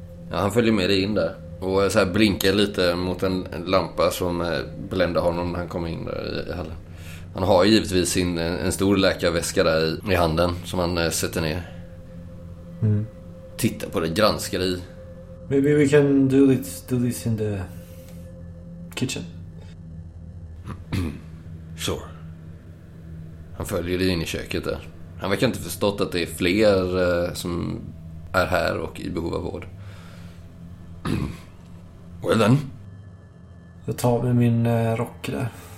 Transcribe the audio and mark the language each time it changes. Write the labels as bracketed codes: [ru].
[sv] Ja, han följer med dig in där. Och så här blinkar lite mot en lampa som bländar honom när han kommer in där i hallen. Han har givetvis sin, en stor läkarväska där i handen som han sätter ner. Mm. Titta på det, granskar i. [en] Maybe we can do this in the kitchen. Sure. [sv] Han följer dig in i köket där. Han verkar inte förstått att det är fler som är här och i behov av vård. [en] Well then. [sv] Jag tar med min rock där.